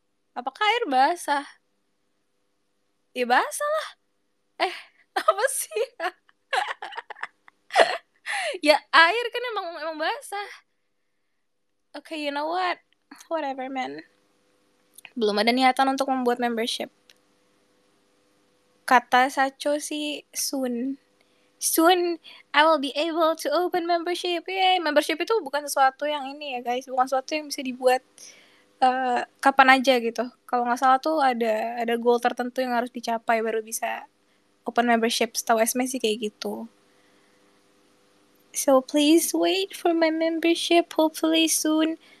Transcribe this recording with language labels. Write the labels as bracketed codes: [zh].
[id] Apakah air basah? Ya basah lah. Apa sih? Ya air kan emang emang basah. [en] Okay, you know what? Whatever, man. [id] Belum ada niatan untuk membuat membership. Kata Sacho sih, soon. [en] Soon, I will be able to open membership. [id] Yay, membership itu bukan sesuatu yang ini ya, guys. Bukan sesuatu yang bisa dibuat kapan aja gitu. Kalau nggak salah tuh ada goal tertentu yang harus dicapai baru bisa open membership. Setahu Esme sih kayak gitu. [en] So please wait for my membership, hopefully soon.